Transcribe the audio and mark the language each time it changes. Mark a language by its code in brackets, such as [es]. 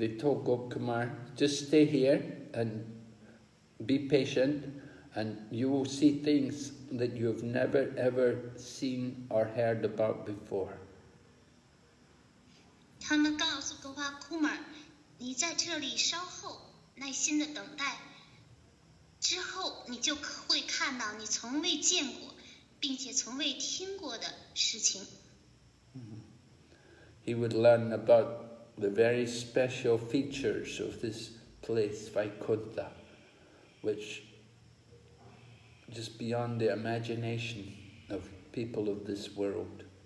[en] they told Gopakumar, just stay here and be patient, and you will see things that you have never ever seen or heard about before. [zh] 他们告诉Gopakumar，你在这里稍候，耐心地等待，之后你就会看到你从未见过，并且从未听过的事情。 [en] He would learn about the very special features of this place, Vaikuntha, which just beyond the imagination of people of this world.